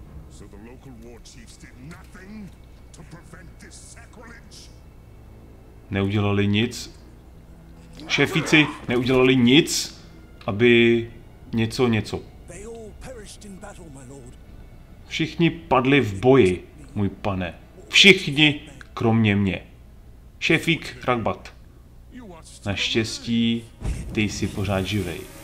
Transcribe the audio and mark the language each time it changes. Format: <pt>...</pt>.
<en>So the local war chiefs did nothing to prevent this sacrilege.</en> <cs>Neudělali nic. Šéfíci neudělali nic, aby něco.</cs> <en>They all perished in battle, my lord.</en> <cs>Všichni padli v boji. Můj pane, všichni, kromě mě. Šéfík Ragbat. Naštěstí, ty jsi pořád živej.</cs>